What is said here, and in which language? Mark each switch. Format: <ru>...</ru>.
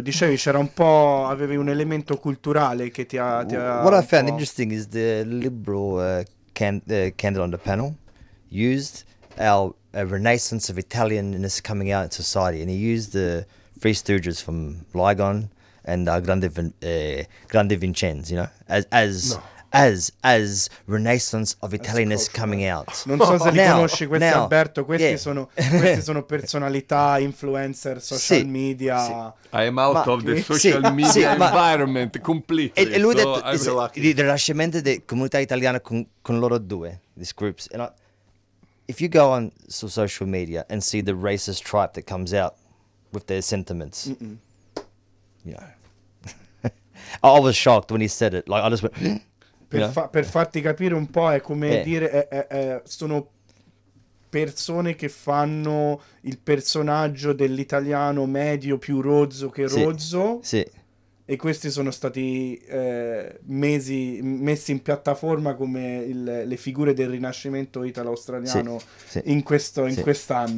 <it>Dicevi c'era un po', avevi un elemento culturale che ti ha...</it> <en>What I found interesting is the liberal candle on the panel used a renaissance of Italianness coming out in society, and he used the Three Stooges from Ligon and Grande Vincenzo, you know, as renaissance of Italianness coming out.</en> <it>Non so se li conosci questi,</it> <en>now,</en> <it>Alberto, questi, yeah. questi sono personalità, influencer, social media.</it> <en>I am out of the social media environment completely.</en> <it>E lui ha detto il rinascimento della comunità italiana con loro due,</it> <en>these groups. If you go on social media and see the racist tribe that comes out with their sentiments, you know. I was shocked when he said it. Like, I just went...</en> <it>Per farti capire un po', è come dire, sono persone che fanno il personaggio dell'italiano medio più rozzo che rozzo. Sì. E questi sono stati mesi messi in piattaforma come le figure del rinascimento italo-australiano in quest'anno.</it>